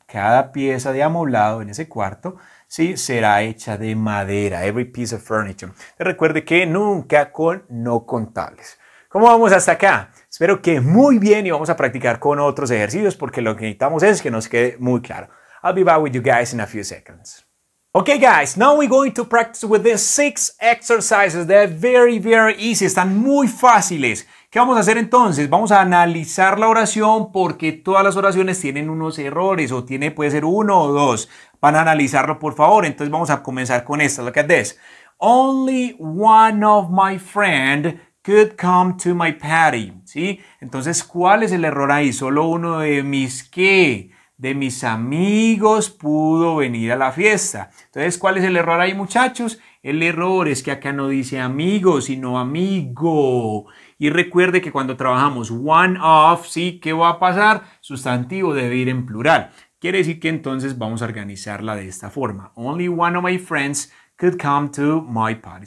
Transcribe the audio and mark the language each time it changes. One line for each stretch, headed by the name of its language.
Spanish: Cada pieza de amoblado en ese cuarto, ¿sí?, será hecha de madera.
English: Every piece of furniture.
Spanish: Te recuerde que nunca con no contables. ¿Cómo vamos hasta acá? Espero que muy bien y vamos a practicar con otros ejercicios porque lo que necesitamos es que nos quede muy claro.
English: I'll be back with you guys in a few seconds. Okay, guys, now we're going to practice with these six exercises. They're very, very easy.
Spanish: Están muy fáciles. ¿Qué vamos a hacer entonces? Vamos a analizar la oración porque todas las oraciones tienen unos errores o tiene, puede ser uno o dos. Van a analizarlo, por favor. Entonces vamos a comenzar con esta.
English: Look at this. Only one of my friend could come to my party.
Spanish: ¿Sí? Entonces, ¿cuál es el error ahí? Solo uno de mis qué... De mis amigos pudo venir a la fiesta. Entonces, ¿cuál es el error ahí, muchachos? El error es que acá no dice amigo, sino amigo. Y recuerde que cuando trabajamos one of, ¿sí? ¿Qué va a pasar? Sustantivo debe ir en plural. Quiere decir que entonces vamos a organizarla de esta forma.
English: Only one of my friends could come to my party.